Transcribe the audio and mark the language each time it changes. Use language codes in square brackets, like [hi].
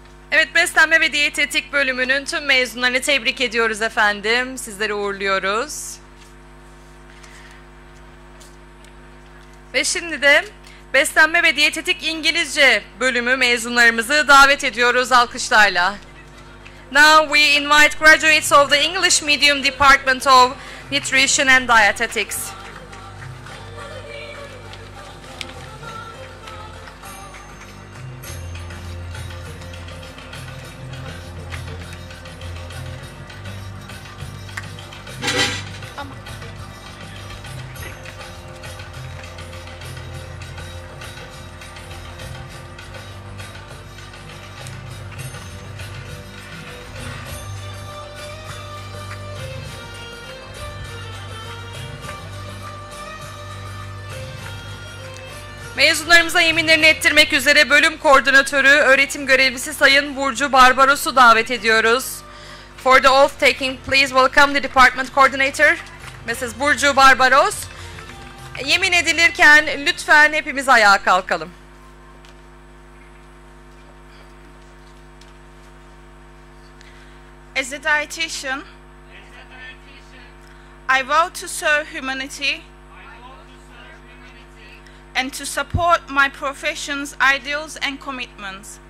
[tr] Evet, beslenme ve diyetetik bölümünün tüm mezunlarını tebrik ediyoruz efendim. Sizleri uğurluyoruz. Ve şimdi de beslenme ve diyetetik İngilizce bölümü mezunlarımızı davet ediyoruz alkışlarla. [en] Now we invite graduates of the English Medium Department of Nutrition and Dietetics. [tr] Mezunlarımıza yeminlerini ettirmek üzere bölüm koordinatörü, öğretim görevlisi Sayın Burcu Barbaros'u davet ediyoruz. [en] For the oath taking, please welcome the department coordinator, Mrs. [tr] Burcu Barbaros. Yemin edilirken lütfen hepimiz ayağa kalkalım. [en] As a dietitian, I vow to serve humanity and to support my profession's ideals and commitments.